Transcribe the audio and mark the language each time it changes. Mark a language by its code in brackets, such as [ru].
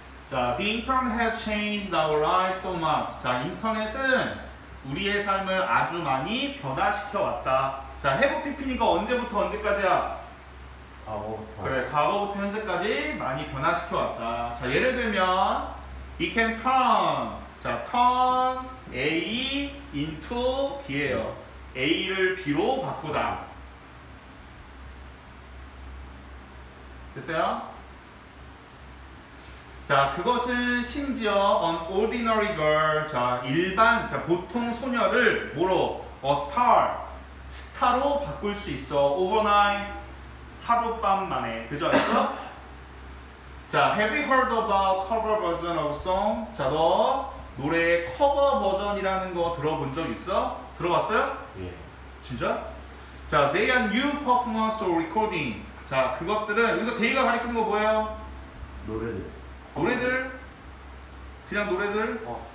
[en] 자, the internet has changed our life so much. [ko] 자, 인터넷은 우리의 삶을 아주 많이 변화시켜 왔다. 자, 해부 PP니까 언제부터 언제까지야? 과거부터. 그래, 과거부터 현재까지 많이 변화시켜 왔다. 자, 예를 들면 [en] we can turn. 자, turn A into B예요. [ko] A를 B로 바꾸다. 됐어요? 자, 그것은 심지어 [en] an ordinary girl. [ko] 자, 일반, 자, 보통 소녀를 뭐로? [en] a star. [ko] 스타로 바꿀 수 있어. [en] overnight. [ko] 하룻밤 만에. 그죠? [en] 자, have you heard about cover version of song? [ko] 자, 너 노래 커버 버전이라는 거 들어본 적 있어? 들어봤어요? 예. 진짜? 자, [en] they are new performance or recording. [ko] 자, 그것들은, 여기서 데이가 가리키는 거 뭐예요? 노래들. 노래들? 그냥 노래들?